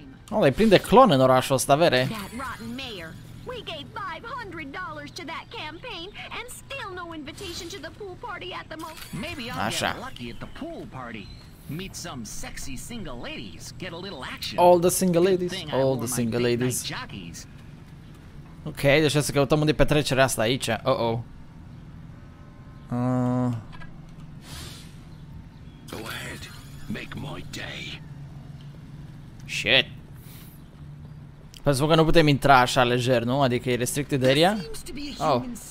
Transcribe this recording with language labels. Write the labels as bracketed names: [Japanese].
[Romanian] Oh, le prinde clon în orașul ăsta, vere. [English] We gave $500 to that campaign and still no invitation to the pool party at the motel. Maybe I'll get lucky at the pool party. Meet some sexy single ladies, get a little action. All the single ladies, all the single ladies. [Romanian] Okay, deci să căutăm unde petrecerea asta aici. Uh-oh. [English] Make my day. Shit. [Romanian] Păi spun că nu putem intra așa lejer, nu? Adică e restricted area? Oh.